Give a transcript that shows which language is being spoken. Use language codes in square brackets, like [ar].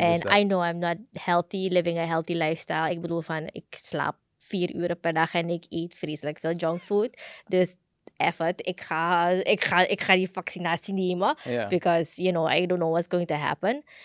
[en] And dus I know I'm not healthy, living a healthy lifestyle. [nl] Ik bedoel van, ik slaap 4 uren per dag en ik eet vreselijk veel junkfood. Dus effort, ik ga die vaccinatie nemen. Ja. [en] Because, you know, I don't know what's going to happen.